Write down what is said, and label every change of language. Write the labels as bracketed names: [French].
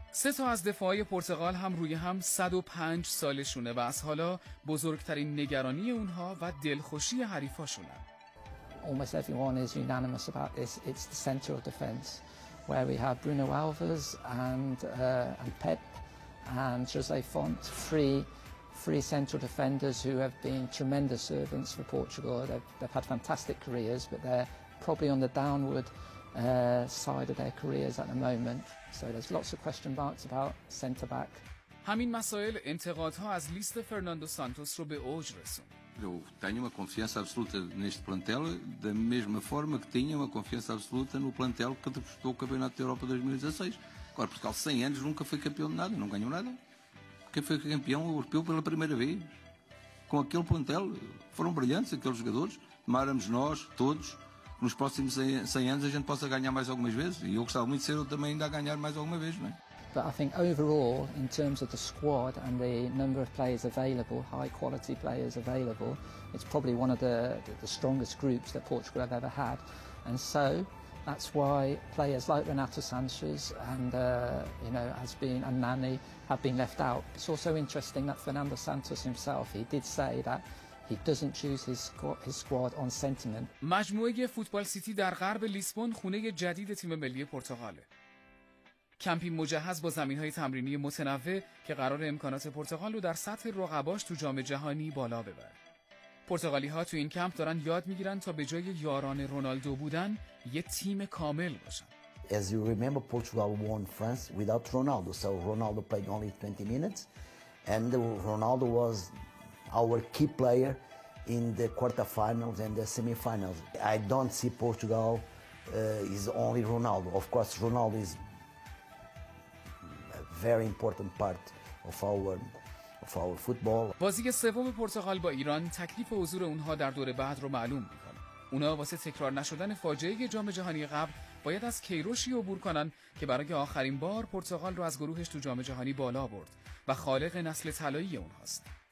[Persian] 3 تا از دفاعی پرتغال هم روی هم 105 سالشونه و از حالا بزرگترین نگرانی اونها و دلخوشی حریفاشونه. [English] Almost everyone is unanimous about this. It's the center of defense, where we have Bruno Alves and Pep and Jose Font, three central defenders who have been tremendous servants for Portugal. They've had fantastic careers, but they're probably on the downward side of their careers at the moment. So there's lots of question marks about centre back. [Persian] همین مسائل انتقادها از لیست فرناندو سانتوس رو به اوج رسوند. [Portuguese] Eu tenho uma confiança absoluta neste plantel, da mesma forma que tinha uma confiança absoluta no plantel que disputou o Campeonato da Europa 2016. Agora, Portugal, 100 anos, nunca foi campeão de nada, não ganhou nada. Quem foi campeão europeu pela primeira vez? Com aquele plantel, foram brilhantes aqueles jogadores. Tomáramos nós, todos, que nos próximos 100 anos a gente possa ganhar mais algumas vezes. E eu gostava muito de ser eu também ainda a ganhar mais alguma vez, não é? [English] But I think overall, in terms of the squad and the number of players available, high quality players available, it's probably one of the strongest groups that Portugal have ever had. And so that's why players like Renato Sanches and Nani have been left out. It's also interesting that Fernando Santos himself, he did say that he doesn't choose his squad on sentiment. [Persian] مجموعه فوتبال سیتی در غرب لیسبون خونه جدید تیم ملی پرتغاله. کمپی مجهز با زمین‌های تمرینی متنوع که قرار امکانات پرتغال رو در سطح رقباش تو جام جهانی بالا ببره. پرتغالی‌ها تو این کمپ دارن یاد می‌گیرن تا به جای یاران رونالدو بودن، یه تیم کامل باشن. [English] As you remember, Portugal won France without Ronaldo. So Ronaldo played only 20 minutes and Ronaldo was our key player in the quarterfinals and the semifinals. I don't see Portugal is only Ronaldo. Of course Ronaldo is very important part of our football. [Persian] بازی سوم پرتغال با ایران تکلیف حضور اونها در دور بعد رو معلوم می‌کنه. اونا واسه تکرار نشدن فاجعه جام جهانی قبل باید از کیروشی عبور کنن که برای آخرین بار پرتغال رو از گروهش تو جام جهانی بالا برد و خالق نسل طلایی اونهاست.